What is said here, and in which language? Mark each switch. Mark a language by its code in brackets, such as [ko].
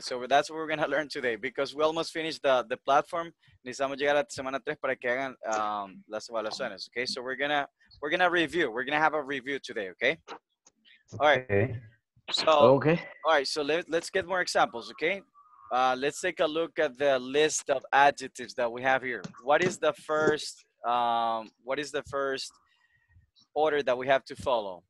[en] So that's what we're going to learn today because we almost finished the platform. [es] Necesitamos llegar a semana 3 para que hagan las evaluaciones, okay? [en] So we're going to review. We're going to have a review today, okay? All right. Okay. So okay. All right, so let's get more examples, okay? Let's take a look at the list of adjectives that we have here. What is the first order that we have to follow?